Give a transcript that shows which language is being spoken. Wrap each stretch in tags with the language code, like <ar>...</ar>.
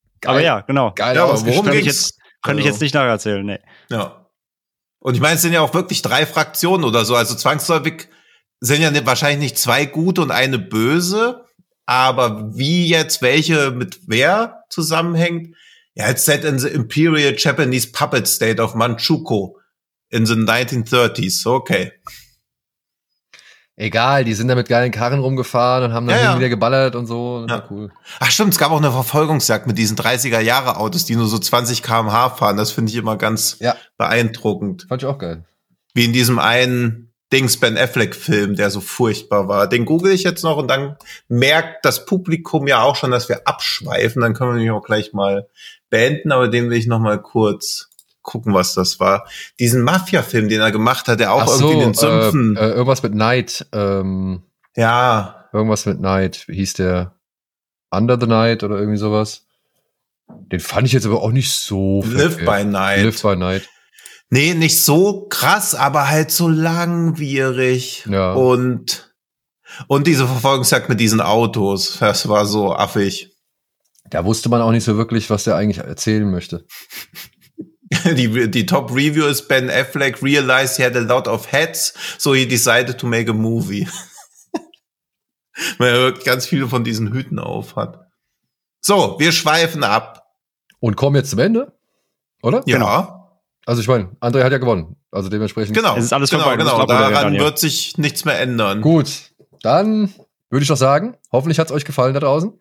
<de>Geil, aber ja, genau. Geil, ja, aber worum ging's? Könnte ich jetzt nicht nacherzählen, nee. Ja. Und ich meine, es sind ja auch wirklich drei Fraktionen oder so. Also zwangsläufig sind ja wahrscheinlich nicht zwei gute und eine böse. Aber wie jetzt welche mit wer zusammenhängt?</de> <en>Ja, it's set in the Imperial Japanese Puppet State of Manchukuo. In the 1930s, okay.</en> <de>Egal, die sind da mit geilen Karren rumgefahren und haben dann wieder geballert und so. Das war cool. Ach stimmt, es gab auch eine Verfolgungsjagd mit diesen 30er-Jahre-Autos, die nur so 20 km/h fahren. Das finde ich immer ganz beeindruckend. Fand ich auch geil. Wie in diesem einen Dings Ben Affleck-Film, der so furchtbar war. Den google ich jetzt noch und dann merkt das Publikum ja auch schon, dass wir abschweifen. Dann können wir nämlich auch gleich mal beenden, aber den will ich noch mal kurz gucken, was das war. Diesen Mafia-Film, den er gemacht hat, der auch so, irgendwie in den Sümpfen. Irgendwas mit Night. Irgendwas mit Night. Wie hieß der? Under the Night oder irgendwie sowas. Den fand ich jetzt aber auch nicht so. Live by Night. Nee, nicht so krass, aber halt so langwierig. Ja. Und diese Verfolgungsjagd mit diesen Autos. Das war so affig. Da wusste man auch nicht so wirklich, was der eigentlich erzählen möchte. Die Top-Review ist,</de> <en>Ben Affleck realized he had a lot of heads, so he decided to make a movie.</en> <de>Weil er ganz viele von diesen Hüten auf hat. So, wir schweifen ab. Und kommen jetzt zum Ende, oder? Ja. Genau. Also ich meine, André hat ja gewonnen, also dementsprechend. Genau, es ist alles vorbei. Genau. Daran wird sich nichts mehr ändern. Gut, dann würde ich doch sagen, hoffentlich hat es euch gefallen da draußen.</de>